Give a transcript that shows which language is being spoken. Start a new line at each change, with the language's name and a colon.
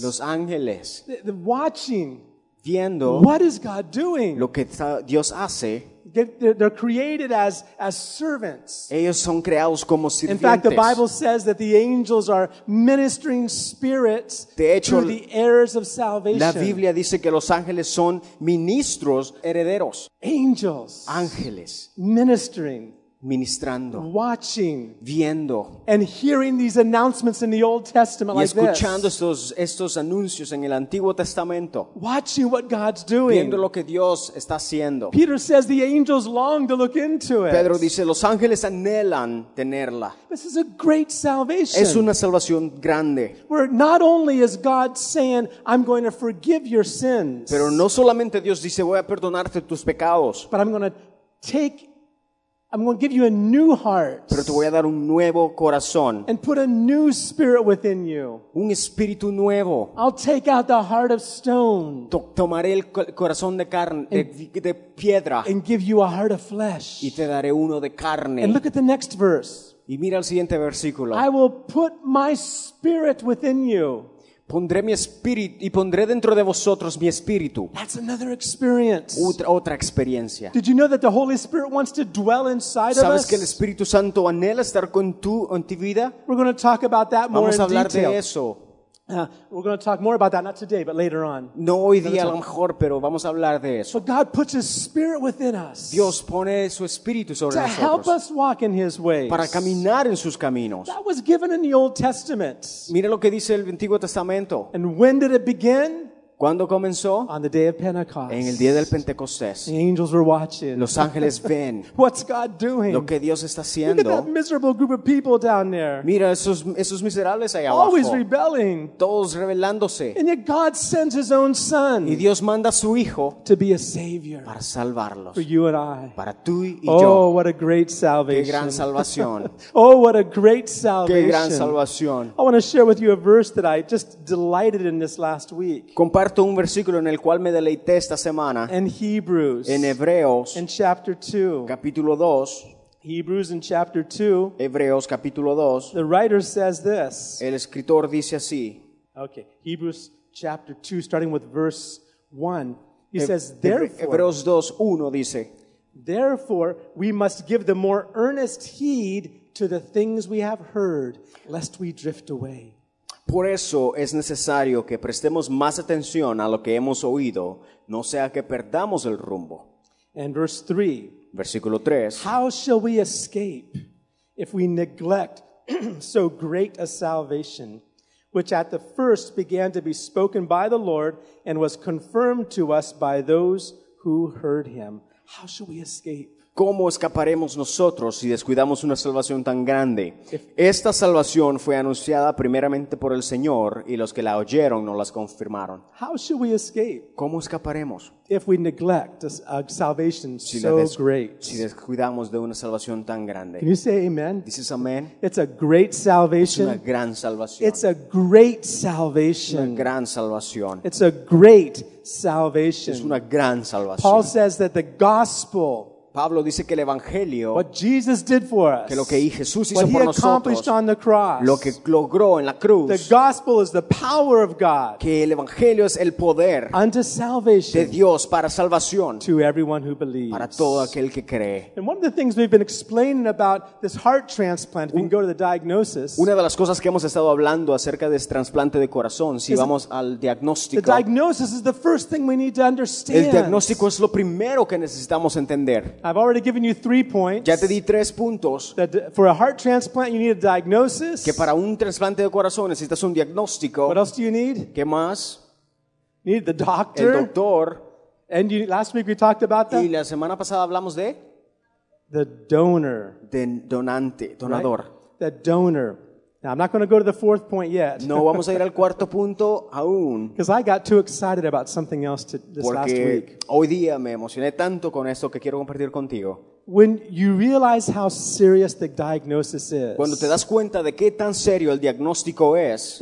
Spanish: Los ángeles.
English: The watching.
Spanish: Viendo.
English: What is God doing?
Spanish: Lo que Dios hace.
English: They're created as servants.
Spanish: Ellos son creados como sirvientes.
English: In fact, the Bible says that the angels are ministering spirits
Spanish: de hecho,
English: to the heirs of salvation.
Spanish: La Biblia dice que los ángeles son ministros herederos.
English: Angels.
Spanish: Ángeles.
English: Ministering.
Spanish: Ministrando.
English: Watching.
Spanish: Viendo.
English: And hearing these announcements in the Old Testament
Spanish: y
English: like this.
Spanish: Y escuchando estos anuncios en el Antiguo Testamento.
English: Watching what God's doing.
Spanish: Viendo lo que Dios está haciendo.
English: Peter says the angels long to look into it.
Spanish: Pedro dice, los ángeles anhelan tenerla.
English: This is a great salvation.
Spanish: Es una salvación grande.
English: Where not only is God saying, I'm going to forgive your sins.
Spanish: Pero no solamente Dios dice, voy a perdonarte tus pecados.
English: But I'm going to give you a new heart.
Spanish: Pero te voy a dar un nuevo corazón.
English: And put a new spirit within you.
Spanish: Un espíritu nuevo.
English: I'll take out the heart of stone.
Spanish: Tomaré el corazón de carne, de piedra.
English: And give you a heart of flesh.
Spanish: Y te daré uno de carne.
English: And look at the next verse.
Spanish: Y mira el siguiente versículo.
English: I will put my spirit within you.
Spanish: Pondré mi espíritu y pondré dentro de vosotros mi espíritu.
English: That's another experience.
Spanish: Otra experiencia.
English: Did you know that the Holy Spirit wants to dwell inside of us?
Spanish: ¿Sabes que el Espíritu Santo anhela estar en tu vida?
English: We're going to talk about that more
Spanish: Vamos a hablar
English: in detail.
Spanish: De eso.
English: We're going to talk more about that, not today, but later on.
Spanish: No hoy día a lo mejor, pero vamos a hablar de eso.
English: But God puts His Spirit within us.
Spanish: Dios pone su Espíritu sobre nosotros.
English: To help us walk in His ways.
Spanish: Para caminar en sus caminos.
English: That was given in the Old Testament.
Spanish: Mira lo que dice el Antiguo Testamento.
English: And when did it begin?
Spanish: ¿Cuándo comenzó?
English: On the day of Pentecost.
Spanish: En el día del Pentecostés.
English: The angels were watching.
Spanish: Los ángeles ven.
English: What's God doing?
Spanish: Lo que Dios está haciendo.
English: Look at that miserable group of people down there.
Spanish: Mira esos miserables allá abajo.
English: Always rebelling.
Spanish: Todos rebelándose.
English: And yet God sends His own Son.
Spanish: Y Dios manda a su hijo.
English: To be a savior.
Spanish: Para salvarlos.
English: For you and I.
Spanish: Para tú y yo.
English: Oh, what a great salvation.
Spanish: Qué gran salvación.
English: Oh, what a great salvation.
Spanish: Qué gran salvación.
English: I want to share with you a verse that I just delighted in this last week.
Spanish: Comparto un versículo en el cual me deleité esta semana.
English: In Hebrews,
Spanish: en Hebreos,
English: in chapter 2,
Spanish: capítulo 2,
English: Hebrews in chapter 2,
Spanish: Hebreos capítulo 2,
English: the writer says this.
Spanish: El escritor dice así.
English: Okay, Hebrews chapter 2, starting with verse 1, he says, therefore,
Spanish: Hebreos 2, 1 dice,
English: therefore, we must give the more earnest heed to the things we have heard, lest we drift away.
Spanish: Por eso es necesario que prestemos más atención a lo que hemos oído, no sea que perdamos el rumbo.
English: And verse 3.
Spanish: Versículo 3.
English: How shall we escape if we neglect so great a salvation, which at the first began to be spoken by the Lord and was confirmed to us by those who heard him? How shall we escape?
Spanish: ¿Cómo escaparemos nosotros si descuidamos una salvación tan grande? Esta salvación fue anunciada primeramente por el Señor y los que la oyeron no las confirmaron.
English: How should we escape?
Spanish: ¿Cómo escaparemos?
English: If we neglect a salvation so great.
Spanish: Si descuidamos de una salvación tan grande.
English: Can you say amen?
Spanish: Dices amén.
English: It's a great salvation.
Spanish: Es una gran salvación.
English: It's a great salvation.
Spanish: Una gran salvación.
English: It's a great salvation.
Spanish: Es una gran salvación.
English: Paul says that the gospel,
Spanish: Pablo dice que el Evangelio,
English: what Jesus did for us,
Spanish: que lo que Jesús hizo
English: what
Spanish: por
English: he accomplished on the cross,
Spanish: lo que logró en la cruz,
English: the gospel is the power of God,
Spanish: que el Evangelio es el poder
English: unto salvation,
Spanish: de Dios para salvación,
English: to everyone who believes,
Spanish: para todo aquel que cree.
English: And one of the things we've been explaining about this heart transplant, if we can go to the diagnosis,
Spanish: una de las cosas que hemos estado hablando acerca de este trasplante de corazón, si vamos al diagnóstico,
English: the diagnosis is the first thing we need to understand.
Spanish: El diagnóstico es lo primero que necesitamos entender.
English: I've already given you 3 points.
Spanish: Ya te di 3 puntos.
English: That for a heart transplant you need a diagnosis.
Spanish: Que para un trasplante de corazón necesitas un diagnóstico.
English: What else do you need?
Spanish: ¿Qué más?
English: You need the doctor.
Spanish: El doctor.
English: And you, last week we talked about that.
Spanish: Y la semana pasada hablamos de
English: the donor.
Spanish: De donante, donador.
English: Right? The donor. Now I'm not going to go to the fourth point yet.
Spanish: No vamos a ir al cuarto punto aún.
English: Because I got too excited about something else this
Spanish: Porque
English: last week.
Spanish: Hoy día me emocioné tanto con esto que quiero compartir contigo.
English: When you realize how serious the diagnosis is,
Spanish: cuando te das cuenta de qué tan serio el diagnóstico es,